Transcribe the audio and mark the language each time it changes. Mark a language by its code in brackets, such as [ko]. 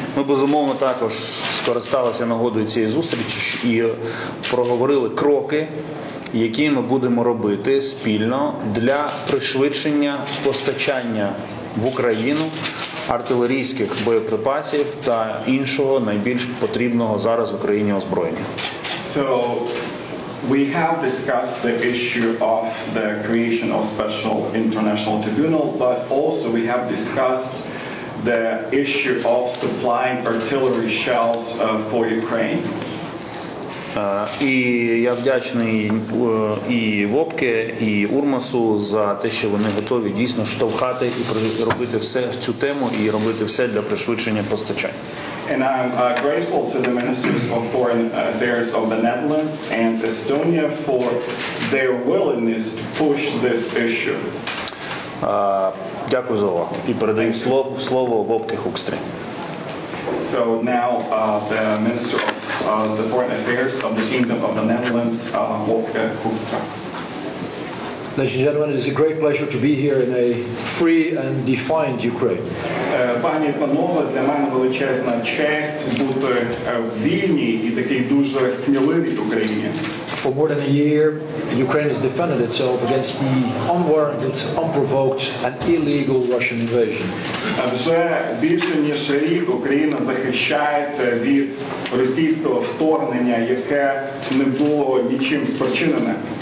[uk] Ми, безумовно, також скористалися нагодою цієї зустрічі і проговорили кроки, які ми будемо робити спільно для пришвидшення постачання в Україну артилерійських боєприпасів та іншого найбільш потрібного зараз в Україні озброєння. [en] So, we have discussed the issue of the creation of special international tribunal, but also we have discussed the issue of supplying artillery shells for Ukraine. [uk] І я вдячний і Вопке, і Урмасу за те, що вони готові дійсно штовхати і робити все в цю тему і робити все для пришвидшення постачання. [en] And I'm grateful to the ministers of foreign affairs of the Netherlands and Estonia for their willingness to push this issue. [uk] Дякую за увагу і передаю слово Вопке Хукстри. [en] So now the minister of the foreign affairs of the Kingdom of the Netherlands, Wolfgang Kustra. Ladies and gentlemen, it's a great pleasure to be here in a free and defined Ukraine. [uk] Пані і панове, для мене величезна честь бути в вільній і такій дуже сміливій Україні. [en] For more than a year, Ukraine has defended itself against the unwarranted, unprovoked, and illegal Russian invasion. [uk] Вже більше ніж рік Україна захищається від російського вторгнення, яке не було нічим спричинене.